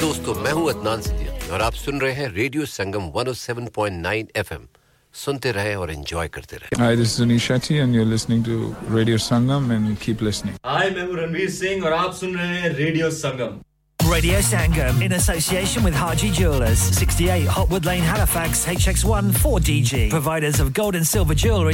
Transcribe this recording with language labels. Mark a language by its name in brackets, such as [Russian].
[Hindi] आप सुन रहे हैं रेडियो संगम 107.9 FM. सुनते रहे और एंजॉय करते रहे. [English] Hi, this is Anish Shetty and you're listening to Radio Sangam and keep listening. [Hindi] Hi, मैं हूं रणवीर सिंह और आप सुन रहे हैं radio Sangam. [English] Radio Sangam in association with Haji Jewelers, 68 Hotwood Lane, Halifax, HX1 4DG. Providers of gold and silver jewellery.